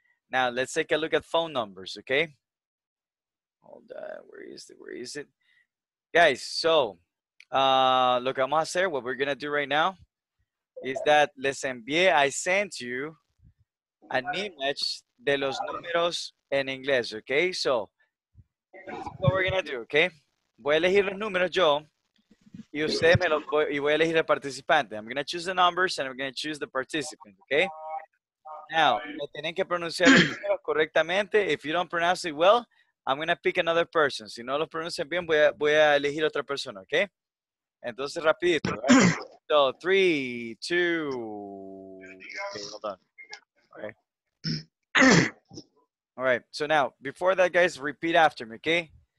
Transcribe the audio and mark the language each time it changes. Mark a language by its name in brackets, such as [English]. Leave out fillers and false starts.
[English] Now, let's take a look at phone numbers, okay? Hold on, where is it? Guys, so, [Spanish] lo que vamos a hacer, [English] what we're going to do right now, is that [Spanish] les envié, [English] I sent you an image [Spanish] de los números en inglés, [English] okay? So, this is what we're going to do, okay? [Spanish] Voy a elegir los números yo, y usted me lo, y voy a elegir el participante. [English] I'm going to choose the numbers, and I'm going to choose the participant, okay? Now, [Spanish] me tienen que pronunciar correctamente. [English] If you don't pronounce it well, I'm going to pick another person. [Spanish] Si no lo pronuncian bien, voy a elegir otra persona, ¿ok? Entonces, rapidito, [English] right? So, 3, 2... Okay, hold on. Okay. All right, so now, before that, guys, repeat after me, ¿ok?